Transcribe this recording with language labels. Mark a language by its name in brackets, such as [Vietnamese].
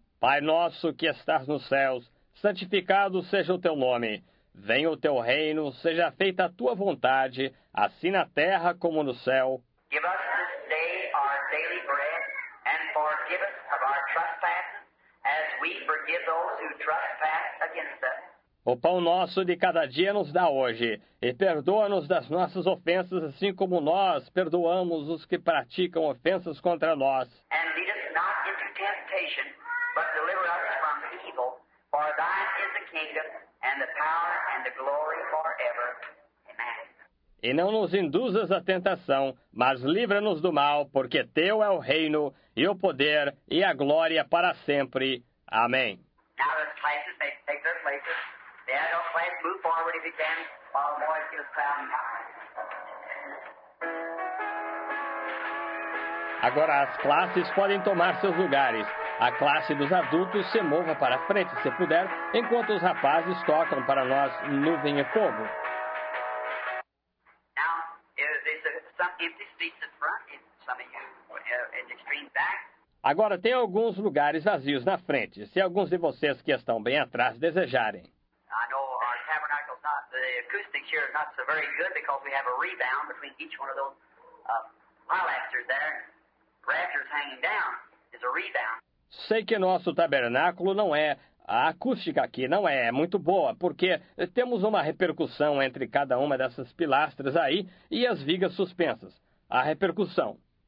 [Portuguese] Pai nosso que estás nos céus, santificado seja o teu nome. Venha o teu reino, seja feita a tua vontade, assim na terra como no céu. [English] Give us this day our daily bread, and forgive us of our trespasses, as we forgive those who trespass against us. [Portuguese] O pão nosso de cada dia nos dá hoje, e perdoa-nos das nossas ofensas, assim como nós perdoamos os que praticam ofensas contra nós. [English] And lead us not into temptation, but deliver us from evil, for thine is the kingdom, and the power, and the glory forever. Amen. [Portuguese] E não nos induzas à tentação, mas livra-nos do mal, porque teu é o reino, e o poder, e a glória para sempre. Amém. [English] Now as classes may take their places. The adult class move forward if you can, while the boys give us crowd and power. [Portuguese] Agora as classes podem tomar seus lugares. A classe dos adultos se mova para frente, se puder, enquanto os rapazes tocam para nós nuvem e fogo. [English] Now, there's some empty seats in front in some in the extreme back. [Portuguese] Agora tem alguns lugares vazios na frente, se alguns de vocês que estão bem atrás desejarem. [English] I know our tabernacle's not the acoustic. year is not so very good because we have a rebound between each one of those pilasters there. Rafters hanging down is a rebound. [Portuguese] Sei que nosso tabernáculo não é... A acústica aqui não é muito boa, porque temos uma repercussão entre cada uma dessas pilastras aí e as vigas suspensas. A repercussão.